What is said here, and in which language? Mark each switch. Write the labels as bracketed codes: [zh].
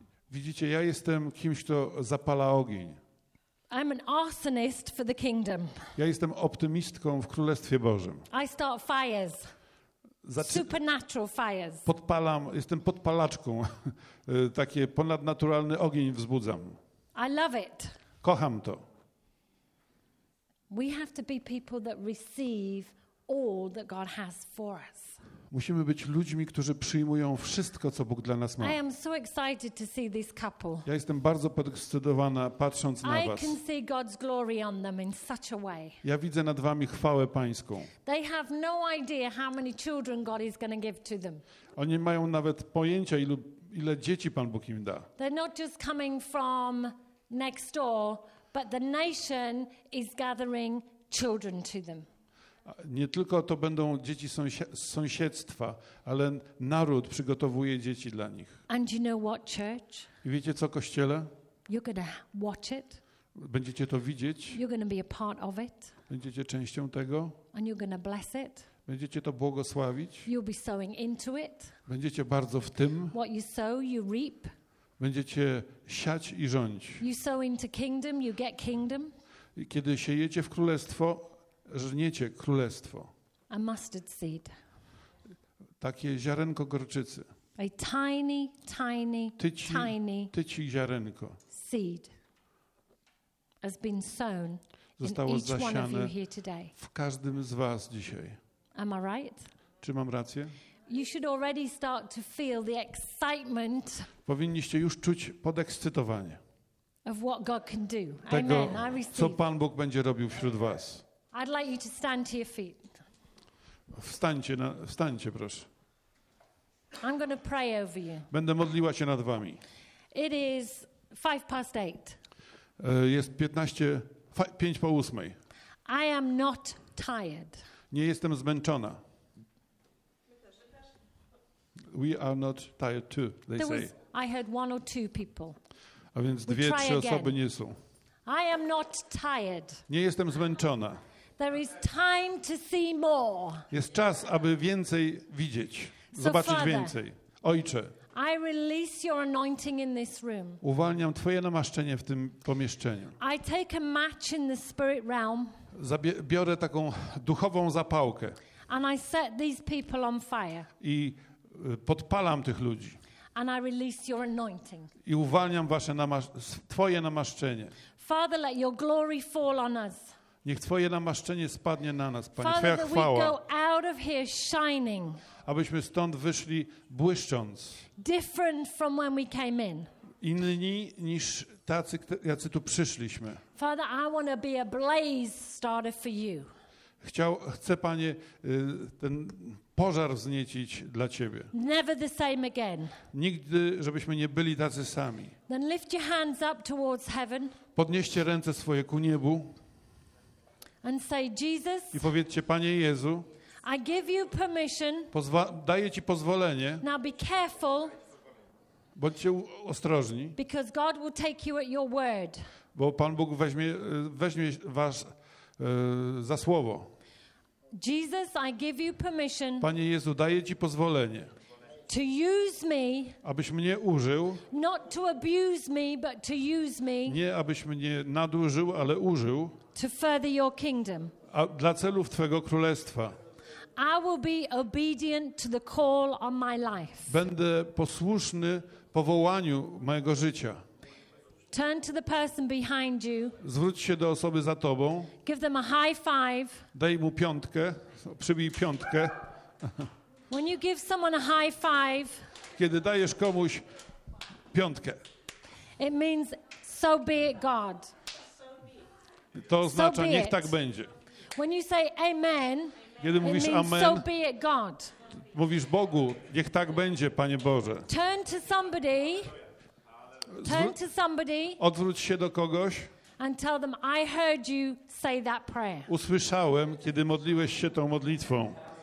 [pl] Widzicie, ja jestem kimś, kto zapala ogień. [en] I'm an arsonist for the kingdom. [pl] Ja jestem optymistką w Królestwie Bożym. [en] I start fires. Supernatural fires. [pl] Jestem podpalaczką. Taki ponadnaturalny ogień wzbudzam. [en] I love it. [pl] Kocham to. [en] We have to be people that receive all that God has for us. [pl] Musimy być ludźmi, którzy przyjmują wszystko, co Bóg dla nas ma. [en] I am so excited to see this couple. [pl] Ja jestem bardzo podekscytowana, patrząc na was. [en] I can see God's glory on them in such a way. [pl] Ja widzę nad wami chwałę Pańską. [en] They have no idea how many children God is going to give to them. [pl] Oni mają nawet pojęcia, ile dzieci Pan Bóg im da. [en] They're not just coming from next door, but the nation is gathering children to them. [pl] Nie tylko to będą dzieci z sąsiedztwa, ale naród przygotowuje dzieci dla nich. [en] And you know what, church? [pl] I wiecie co, kościele? [en] You're gonna watch it. [pl] Będziecie to widzieć. [en] You're gonna be a part of it. [pl] Będziecie częścią tego. [en] And you're gonna bless it. [pl] Będziecie to błogosławić. [en] You'll be sowing into it. [pl] Będziecie bardzo w tym. [en] What you sow, you reap. [pl] Będziecie siać i rządzić. [en] You sow into kingdom, you get kingdom. [pl] Kiedy siejecie w królestwo, żniecie królestwo. [en] A mustard seed. [pl] Takie ziarenko gorczycy. [en] A tiny, tiny, tiny. [pl] Tyci ziarenko. [en] Seed has been sown. [pl] Zostało zasiane [en] in each one of you here today. [pl] W każdym z was dzisiaj. [en] Am I right? [pl] Czy mam rację? [en] You should already start to feel the excitement. [pl] Powinniście już czuć podekscytowanie. [en] Of what God can do. [pl] Tego, [en] Amen. I receive. [pl] Co Pan Bóg będzie robił wśród was? [en] I'd like you to stand to your feet. [pl] Wstańcie, proszę. [en] I'm going to pray over you. [pl] Będę modliła się nad wami. [en] It is 8:05. [pl] Jest 5:05. [en] I am not tired. [pl] Nie jestem zmęczona. [en] we are not tired too, they there say. Was, I heard one or two people. [pl] A więc we dwie, trzy osoby nie są. [en] I am not tired. [pl] Nie jestem zmęczona. [en] There is time to see more. [pl] Jest czas, aby więcej widzieć, [en] so [pl] zobaczyć [en] Father, [pl] więcej. Ojcze, [en] I release your anointing in this room. [pl] Uwalniam Twoje namaszczenie w tym pomieszczeniu. [en] I take a match in the spirit realm. [pl] Biorę taką duchową zapałkę. [en] And I set these people on fire. [pl] I podpalam tych ludzi. [en] And I release your anointing. [pl] I uwalniam wasze Twoje namaszczenie. [en] Father, let your glory fall on us. [pl] Niech Twoje namaszczenie spadnie na nas, Panie, [en] Father, [pl] Twoja chwała. [en] That we go out of here shining. [pl] Abyśmy stąd wyszli błyszcząc. [en] Different from when we came in. [pl] Inni niż tacy, jacy tu przyszliśmy. [en] Father, I want to be a blaze starter for you. [pl] Chcę, Panie, ten pożar wzniecić dla Ciebie. [en] Never the same again. [pl] Nigdy, żebyśmy nie byli tacy sami. [en] Then lift your hands up towards heaven. [pl] Podnieście ręce swoje ku niebu. [en] And say, Jesus, [pl] i powiedzcie, Panie Jezu, [en] I give you permission, [pl] daję Ci pozwolenie, [en] now be careful, [pl] bądźcie ostrożni, [en] because God will take you at your word. [pl] Bo Pan Bóg weźmie Was za słowo. [en] Jesus, I give you permission, [pl] Panie Jezu, daję Ci pozwolenie, [en] to use me, [pl] abyś mnie użył, [en] not to abuse me, but to use me, [pl] nie abyś mnie nadużył, ale użył, [en] to further your kingdom. [pl] A dla celów Twojego królestwa. [en] I will be obedient to the call on my life. [pl] Będę posłuszny powołaniu mojego życia. [en] Turn to the person behind you. [pl] Zwróć się do osoby za tobą. [en] Give them a high five. [pl] Daj mu piątkę. Przybij piątkę. [en] When you give someone a high five, [pl] kiedy dajesz komuś piątkę, [en] it means so be it, God. [pl] To oznacza, niech tak będzie. [en] When you say amen, [pl] kiedy mówisz [en] amen, so be it, God. [pl] Mówisz Bogu, niech tak będzie, Panie Boże. [en] Turn to somebody, turn to somebody, [pl] odwróć się do kogoś [en] and tell them, I heard you say that prayer. [pl] Usłyszałem, kiedy modliłeś się tą modlitwą.